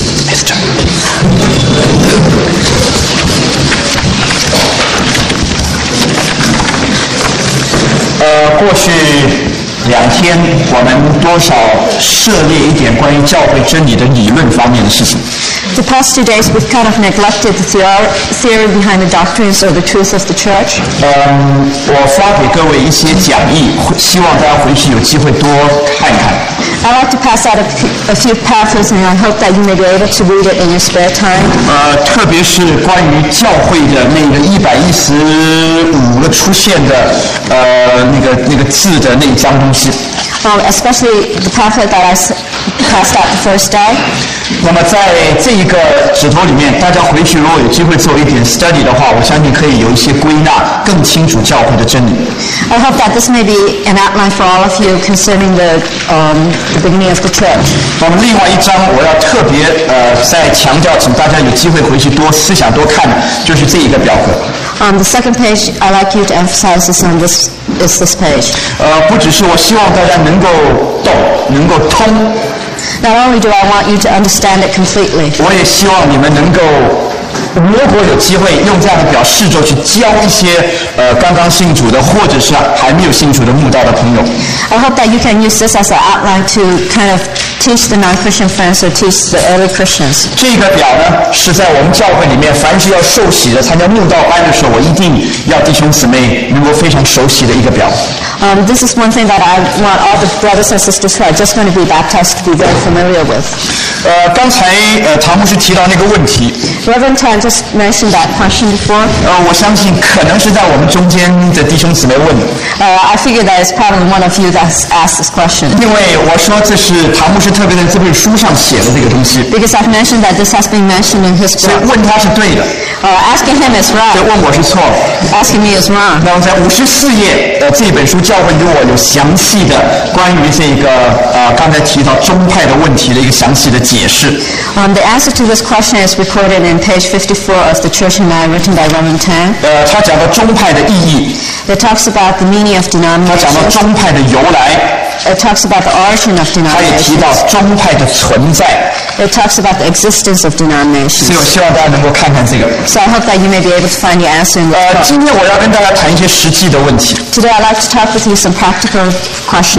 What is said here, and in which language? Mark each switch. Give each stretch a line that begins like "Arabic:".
English: Mr.
Chinese: 过去两天我们多少涉猎一点关于教会真理的理论方面的事情。
English: The past 2 days we've kind of neglected the theory behind the doctrines or the truth of the church.
Chinese: 我发给各位一些讲义，希望大家回去有机会多看看。
English: I'd like to pass out a few pamphlets and I hope that you may be able to read it in your spare time.
Chinese: 特别是关于教会的那个115个出现的那个字的那一张东西。
English: Especially the pamphlet that I passed out the first day.
Chinese: 那么在这一个纸头里面，大家回去如果有机会做一点 study 的话，我相信可以有一些归纳，更清楚教会的真理。
English: I hope that this may be an outline for all of you concerning the beginning of the church.
Chinese: 那么另外一张我要特别再强调，请大家有机会回去多思想多看，就是这一个表格。
English: The second page I like you to emphasize is on this is this page.
Chinese: 不只是我希望大家能够懂，能够通。
English: Not only do I want you to understand it completely.
Chinese: 我也希望你们能够，如果有机会用这样的表试着去教一些刚刚信主的或者是还没有信主的慕道的朋友。
English: I hope that you can use this as an outline to kind of teach the non-Christian friends or teach the early Christians.
Chinese: 这个表呢是在我们教会里面，凡是要受洗的参加慕道班的时候，我一定要弟兄姊妹能够非常熟悉的一个表。
English: This is one thing that I want all the brothers and sisters who are just going to be baptized to be very familiar with.
Chinese: 刚才唐牧师提到那个问题。
English: Reverend Tan just mentioned that question before.
Chinese: 我相信可能是在我们中间的弟兄姊妹问的。
English: I figure that it's probably one of you that's asked this question.
Chinese: 因为我说这是唐牧师特别在这本书上写的这个东西。
English: Because I've mentioned that this has been mentioned in his book.
Chinese: 所以问他是对的。
English: Asking him is wrong.
Chinese: 所以问我是错。
English: Asking me is wrong.
Chinese: 那么在54页这本书教会给我有详细的关于这个刚才提到宗派的问题的一个详细的解释。
English: The answer to this question is recorded in page 54 of the Church and Man written by Roman Tan.
Chinese: 他讲到宗派的意义。
English: It talks about the meaning of denomination.
Chinese: 他讲到宗派的由来。
English: It talks about the origin of denominations.
Chinese: 他也提到宗派的存在。
English: It talks about the existence of denominations.
Chinese: 所以我希望大家能够看看这个。
English: So I hope that you may be able to find the answer in this book.
Chinese: 今天我要跟大家谈一些实际的问题。
English: Today I'd like to talk with you some practical questions.